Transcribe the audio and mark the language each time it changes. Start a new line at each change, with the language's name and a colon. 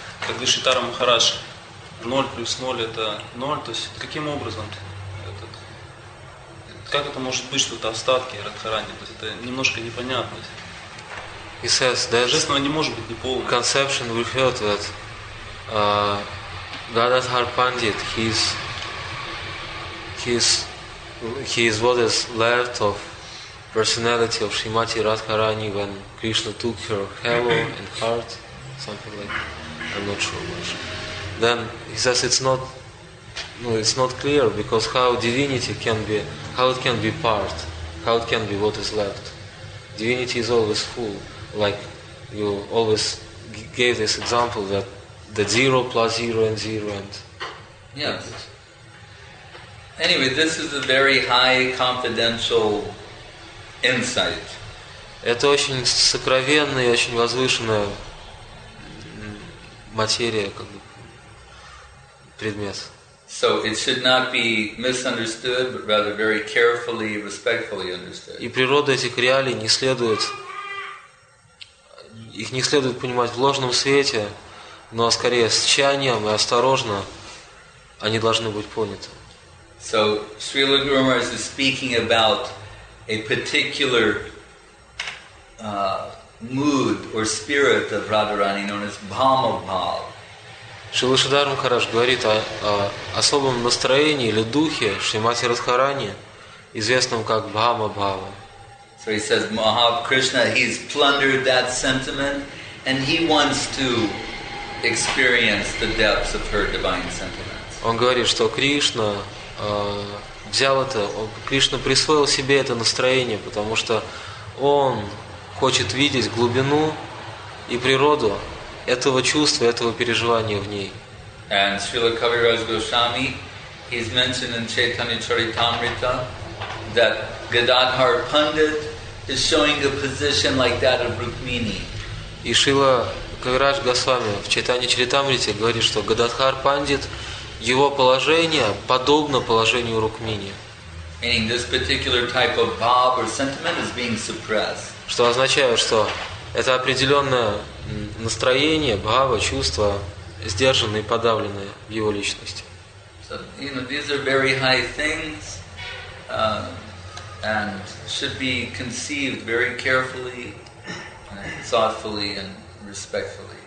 Russian: Как говорит Шитара Махарадж, 0 плюс 0 это 0. То есть каким образом этот, как это может быть, что это остатки Радхарани? То есть это немножко непонятно.
English: He says,
Russian: божественного не может быть неполным.
English: Conception we heard that Gadadhar Pandit, he is what is left of personality of Shrimati Radharani when Krishna took her halo and heart, something like that. I'm not sure much. Then he says it's not clear because how divinity can be, how it can be part, how it can be what is left. Divinity is always full. Like you always gave this example that the zero plus zero and zero and yes. Anyway, this is a very high confidential insight.
Russian: Это очень сокровенное, очень возвышенное. Материя, как бы, предмет.
English: So it should not be misunderstood, but rather very carefully, respectfully understood.
Russian: И природа этих реалий не следует, их не следует понимать в ложном свете, но скорее с тщанием и осторожно они должны быть поняты.
English: So Srila Guru Maharaj is speaking about a particular mood or spirit of Radharani known as Bhama Bhav.
Russian: Шрила Шридхара Махарадж говорит о особом настроении или духе Шримати Радхарани, известном как Бхама Бхава.
English: So he says Mahakrishna, he's plundered that sentiment and he wants to experience the depths of her divine sentiments.
Russian: Он говорит, что Кришна взял это, Кришна присвоил себе это настроение, потому что он хочет видеть глубину и природу этого чувства, этого переживания в ней.
English: And Srila Kaviraj Goswami, he's mentioned in Chaitanya Charitamrita that Gadadhar Pandit is showing a position like that of Rukmini.
Russian: И Шрила Кавирадж Госвами в Чайтанья Чаритамрите говорит, что Гададхар Пандит, его положение подобно положению Рукмини.
English: Meaning this particular type of bhav or sentiment is being suppressed.
Russian: Что означает, что это определенное настроение, бхава, чувства, сдержанные, подавленные в его личности.
English: So, you know, these are very high things, and should be conceived very carefully, thoughtfully, and respectfully.